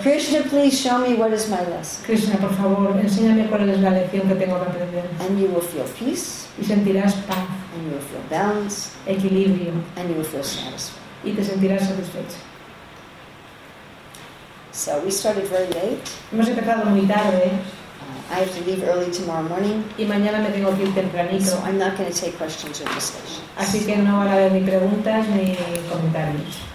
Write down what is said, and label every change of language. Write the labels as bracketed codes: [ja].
[en] Krishna, please show me what is my lesson. [es] Krishna, por favor, enséñame cuál es la lección que tengo que aprender. [en] And you will feel peace. [es] Y sentirás paz. [en] And you will feel balance. [es] Equilibrio. [en] And you will feel satisfied. [es] Y te sentirás satisfecho. [en] So we started very late. [es] Hemos empezado muy tarde. [en] I have to leave early tomorrow morning. [es] Y mañana me tengo que ir tempranito. [en] So I'm not going to take questions or discussions. [es] Así que no van a haber ni preguntas ni comentarios.